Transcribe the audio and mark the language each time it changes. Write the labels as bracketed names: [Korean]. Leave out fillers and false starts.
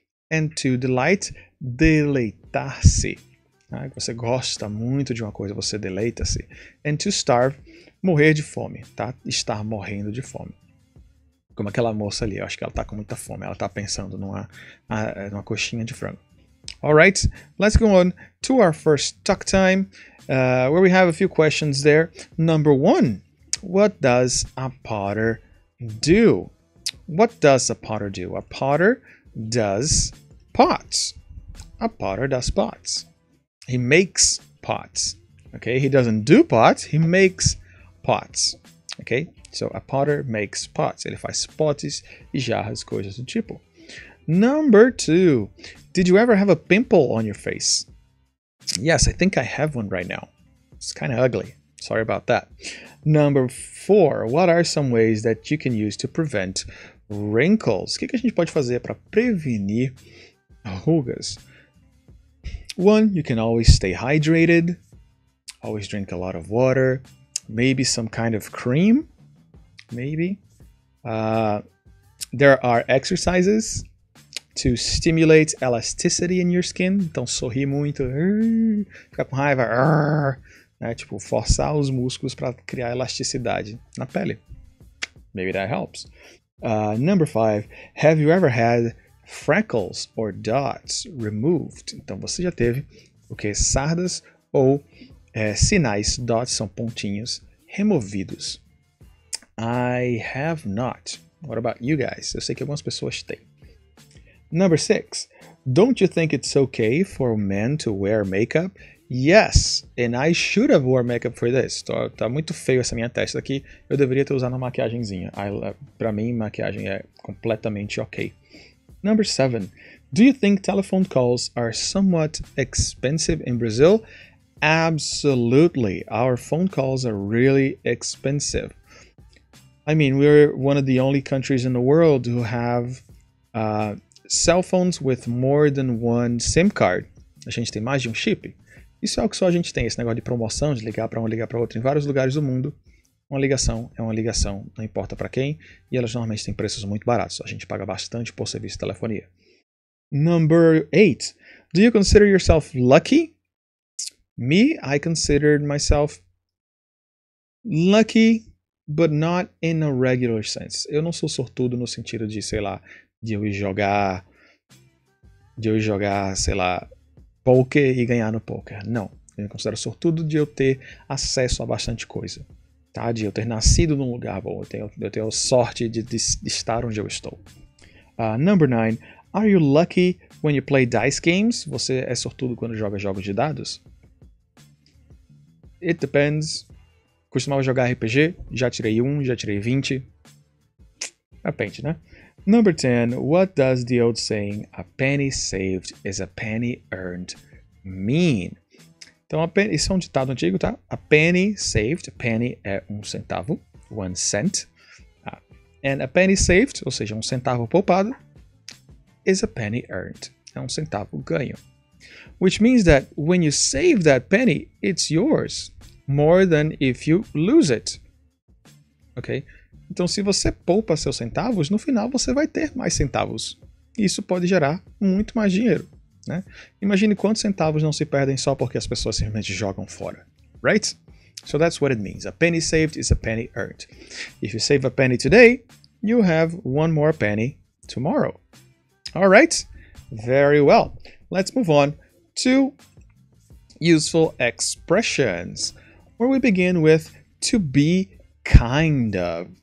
[English] And to delight, deleitar-se. [Portuguese] Você gosta muito de uma coisa, você deleita-se. [English] And to starve, [Portuguese] morrer de fome, tá? Estar morrendo de fome. Como aquela moça ali, eu acho que ela tá com muita fome. Ela tá pensando numa coxinha de frango. [English] Alright, let's go on to our first talk time, where we have a few questions there. Number one, what does a potter do? What does a potter do? A potter does pots. A potter does pots. He makes pots. Okay, he doesn't do pots, he makes pots. Okay, so a potter makes pots. [Portuguese] Ele faz potes e jarras, coisas do tipo. [English] Number two, did you ever have a pimple on your face? Yes, I think I have one right now. It's kind of ugly. Sorry about that. Number four, what are some ways that you can use to prevent wrinkles? [Portuguese] O que a gente pode fazer para prevenir rugas? [English] One, you can always stay hydrated, always drink a lot of water, maybe some kind of cream, maybe. There are exercises to stimulate elasticity in your skin. [Portuguese] Então, sorrir muito, ficar com raiva, né? Tipo, forçar os músculos para criar elasticidade na pele. [English] Maybe that helps. Number five, have you ever had freckles or dots removed? [Portuguese] Então, você já teve o que? Sardas ou sinais, dots são pontinhos, removidos. [English] I have not. What about you guys? [Portuguese] Eu sei que algumas pessoas têm. [English] Number six, don't you think it's okay for men to wear makeup? Yes, and I should have worn makeup for this. [Portuguese] Tá muito feio essa minha testa aqui. Eu deveria ter usado uma maquiagemzinha. Pra mim, maquiagem é completamente ok. [English] Number seven, Do you think telephone calls are somewhat expensive in Brazil? Absolutely. Our phone calls are really expensive. I mean, we're one of the only countries in the world who have cell phones with more than one SIM card. [Portuguese] A gente tem mais de um chip? Isso é o que só a gente tem, esse negócio de promoção, de ligar para um, ligar para outro. Em vários lugares do mundo, uma ligação é uma ligação, não importa para quem. E elas normalmente têm preços muito baratos. A gente paga bastante por serviço de telefonia. [English] Number 8. Do you consider yourself lucky? Me, I considered myself lucky, but not in a regular sense. [Portuguese] Eu não sou sortudo no sentido de, sei lá, de eu jogar, sei lá, poker e ganhar no poker. Não. Eu me considero sortudo de eu ter acesso a bastante coisa. Tá? De eu ter nascido num lugar bom. Eu tenho sorte de estar onde eu estou. [English] Number 9. Are you lucky when you play dice games? [Portuguese] Você é sortudo quando joga jogos de dados? [English] It depends. [Portuguese] Costumava jogar RPG. Já tirei 1, já tirei 20. Depende, né? [English] Number 10. What does the old saying, a penny saved is a penny earned, mean? [Portuguese] Então, isso é um ditado antigo, tá? [English] A penny saved. [Portuguese] A penny é um centavo. [English] One cent. And a penny saved, [Portuguese] ou seja, um centavo poupado, [English] is a penny earned. [Portuguese] É um centavo ganho. [English] Which means that when you save that penny, it's yours. More than if you lose it. Ok? [Portuguese] Então, se você poupa seus centavos, no final você vai ter mais centavos. Isso pode gerar muito mais dinheiro. Né? Imagine quantos centavos não se perdem só porque as pessoas simplesmente jogam fora. [English] Right? So that's what it means. A penny saved is a penny earned. If you save a penny today, you have one more penny tomorrow. Alright, very well. Let's move on to useful expressions, where we begin with to be kind of.